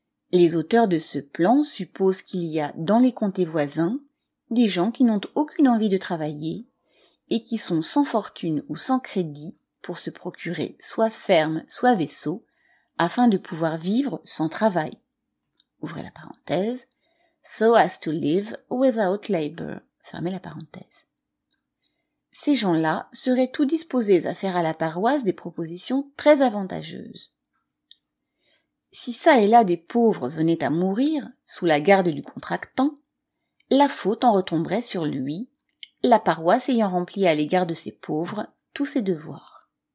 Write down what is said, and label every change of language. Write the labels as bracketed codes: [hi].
[fr] Les auteurs de ce plan supposent qu'il y a dans les comtés voisins des gens qui n'ont aucune envie de travailler et qui sont sans fortune ou sans crédit pour se procurer soit ferme, soit vaisseau, afin de pouvoir vivre sans travail. Ouvrez la parenthèse. [en] So as to live without labor. [fr] Fermez la parenthèse. Ces gens-là seraient tout disposés à faire à la paroisse des propositions très avantageuses. Si ça et là des pauvres venaient à mourir sous la garde du contractant, la faute en retomberait sur lui, la paroisse ayant rempli à l'égard de ses pauvres tous ses devoirs.